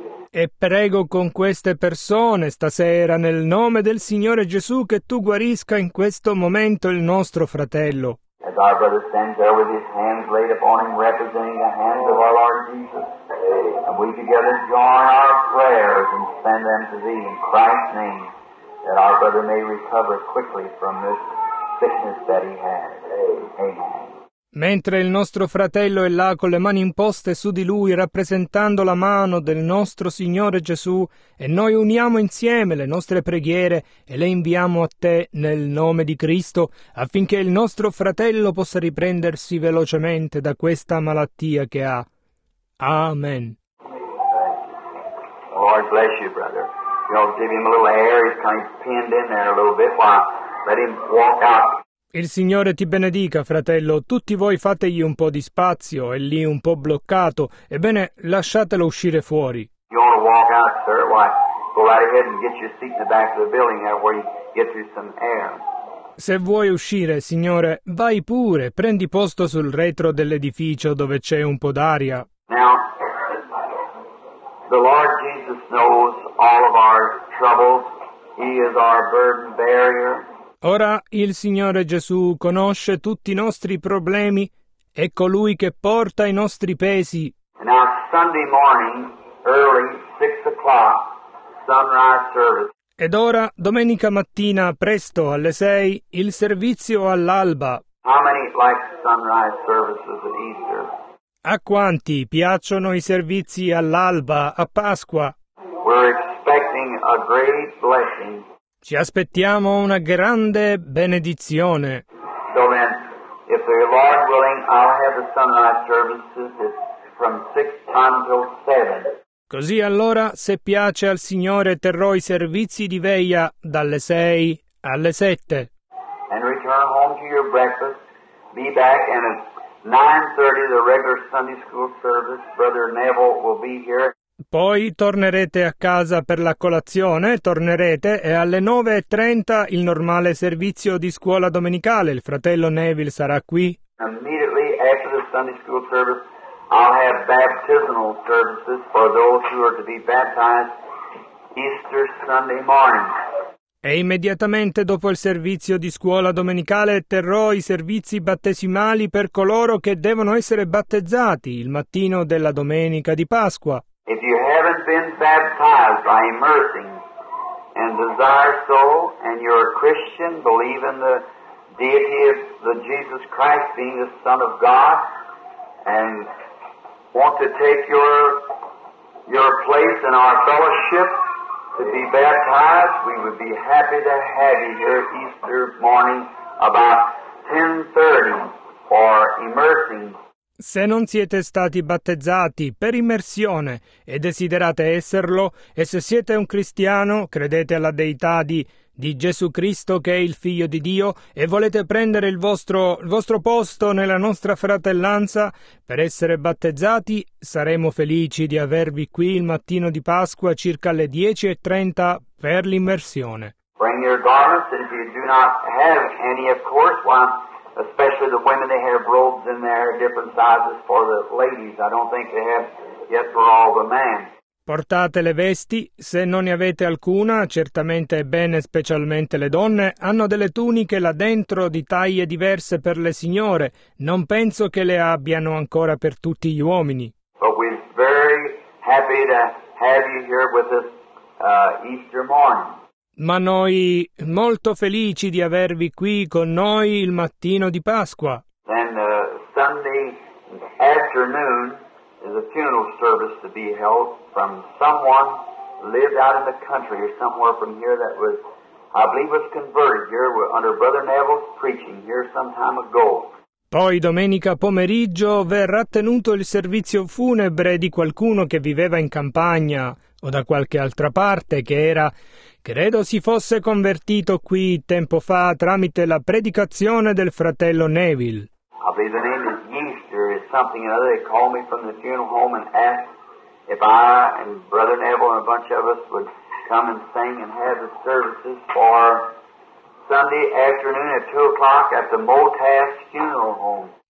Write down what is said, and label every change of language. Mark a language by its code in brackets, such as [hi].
[it] E prego con queste persone stasera nel nome del Signore Gesù che tu guarisca in questo momento il nostro fratello. [en] As our brother stands there with his hands laid upon him, representing the hands of our Lord Jesus, and we together join our prayers and send them to thee in Christ's name, that our brother may recover quickly from this sickness that he has. Amen. [it] Mentre il nostro fratello è là con le mani imposte su di lui, rappresentando la mano del nostro Signore Gesù, e noi uniamo insieme le nostre preghiere e le inviamo a te nel nome di Cristo, affinché il nostro fratello possa riprendersi velocemente da questa malattia che ha. Amen. [en] Lord bless you, brother. You'll give him a little air. He's kind of pinned in there a little bit while. Let him walk out. [it] Il Signore ti benedica, fratello. Tutti voi fategli un po' di spazio, è lì un po' bloccato. Ebbene, lasciatelo uscire fuori. [en] You want to walk out, sir? Why, go right ahead and get your seat in the back of the building there where you get through some air. [it] Se vuoi uscire, signore, vai pure, prendi posto sul retro dell'edificio dove c'è un po' d'aria. [en] Now, the Lord Jesus knows all of our troubles. He is our burden bearer. [it] Ora il Signore Gesù conosce tutti i nostri problemi, è colui che porta i nostri pesi. [en] Now, Sunday morning, early, 6 o'clock, sunrise service. [it] Ed ora, domenica mattina, presto, alle 6, il servizio all'alba. [en] How many like sunrise services at Easter? [it] A quanti piacciono i servizi all'alba, a Pasqua? [en] We're expecting a great blessing. [it] Ci aspettiamo una grande benedizione. [en] So then, if the Lord willing, I'll have the sunrise services from 6 until 7. [it] Così allora, se piace al Signore, terrò i servizi di veglia dalle 6 alle 7. [en] And return home to your breakfast. Be back and at 9:30 the regular Sunday school service, Brother Neville will be here. [it] Poi tornerete a casa per la colazione, tornerete, e alle 9:30 il normale servizio di scuola domenicale. Il fratello Neville sarà qui. [en] Immediately after the Sunday school service, I'll have baptismal services for those who are to be baptized Easter Sunday morning. [it] E immediatamente dopo il servizio di scuola domenicale terrò i servizi battesimali per coloro che devono essere battezzati il mattino della domenica di Pasqua. [en] If you haven't been baptized by immersing and desire so, and you're a Christian, believe in the deity of the Jesus Christ being the Son of God, and want to take your place in our fellowship to be baptized, we would be happy to have you here Easter morning about 10:30 for immersing. [it] Se non siete stati battezzati per immersione e desiderate esserlo, e se siete un cristiano, credete alla deità di Gesù Cristo che è il Figlio di Dio, e volete prendere il vostro posto nella nostra fratellanza per essere battezzati, saremo felici di avervi qui il mattino di Pasqua circa alle 10:30 per l'immersione. [en] Bring your garments, and if you do not have any, of course, why? Especially the women, they have robes in there, different sizes for the ladies. I don't think they have yet for all the men. [it] Portate le vesti, se non ne avete alcuna, certamente è bene, specialmente le donne, hanno delle tuniche là dentro di taglie diverse per le signore, non penso che le abbiano ancora per tutti gli uomini. [en] But we're very happy to have you here with us Easter morning. [it] Ma noi molto felici di avervi qui con noi il mattino di Pasqua. [en] And Sunday afternoon is a funeral service to be held from someone lived out in the country or somewhere from here that was, I believe, was converted here under Brother Neville's preaching here some time ago. [it] Poi domenica pomeriggio verrà tenuto il servizio funebre di qualcuno che viveva in campagna o da qualche altra parte, che era, credo si fosse convertito qui tempo fa tramite la predicazione del fratello Neville. [en] I believe the name is Easter is something or other. They called me from the funeral home and asked if I and Brother Neville and a bunch of us would come and sing and have the services for Sunday afternoon at 2 o'clock at the Motash funeral home.